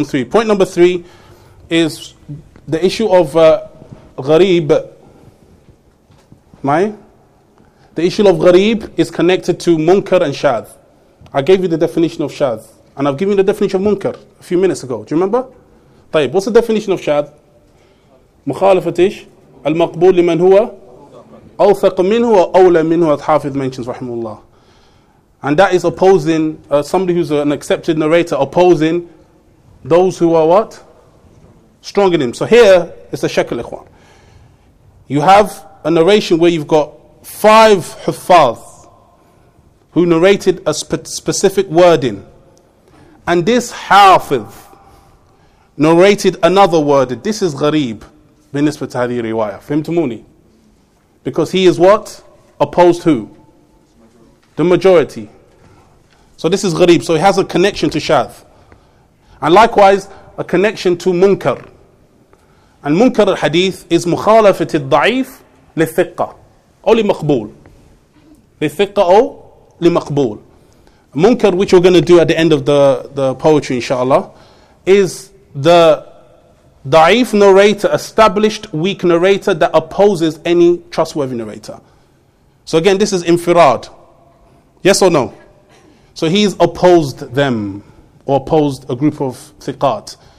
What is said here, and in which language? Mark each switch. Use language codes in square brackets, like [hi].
[en] Point number three is the issue of gharib. The issue of gharib is connected to munkar and shadh. I gave you the definition of shadh. And I've given you the definition of munkar a few minutes ago. Do you remember? طيب, what's the definition of shadh? [ar] مخالفتش المقبول لمن هو أوثق منه وأولى منه الحافظ [en] mentions [ar] rahimullah. [en] And that is opposing somebody who's an accepted narrator, opposing those who are what? Stronger than him. So here is the shakal ikhwan. You have a narration where you've got five huffaz who narrated a specific wording. And this hafiz narrated another word. This is gharib, [ar] binisbat hadhi riwayah. Fahimtumuni? [en] Because he is what? Opposed who? The majority. So this is gharib. So he has a connection to shadh. And likewise, a connection to munkar. And munkar al-hadith is [ar] مخالفت الضعيف للثقة أو لمقبول للثقة أو لمقبول. [en] Munkar, which we're going to do at the end of the poetry inshallah, is the ضعيف narrator, established weak narrator that opposes any trustworthy narrator. So again, this is infirad. Yes or no? So he's opposed them or opposed a group of ثقات.